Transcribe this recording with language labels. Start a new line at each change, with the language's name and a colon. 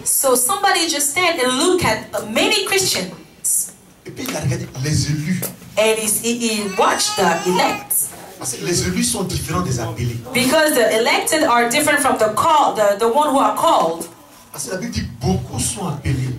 English: So somebody just stand and look at many Christians.
French: Et puis il a regardé les élus.
English: And he watched the elect.
French: Parce que les élus sont différents des appelés.
English: Because the elected are different from the called, the one who are called.
French: Parce que la Bible dit beaucoup sont appelés.